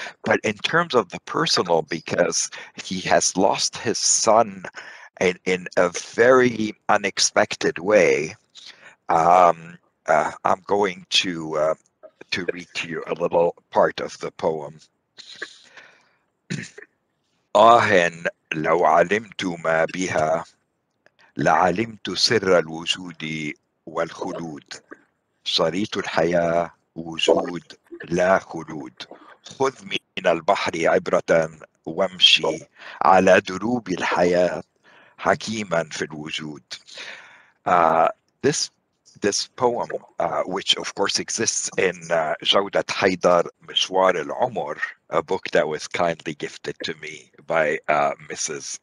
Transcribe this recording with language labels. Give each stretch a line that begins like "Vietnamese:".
English: But in terms of the personal, because he has lost his son in a very unexpected way, I'm going to read to you a little part of the poem.
Arabic: آهن لو علمت ما بها لعلمت سر الوجود والخلود شريط الحياة وجود لا خلود خذ من البحر عبرة وامشي على دروب الحياة حكيما في الوجود.
English: This poem, which of course exists in Jawdat Haydar Mishwar al-Umur, a book that was kindly gifted to me by Mrs.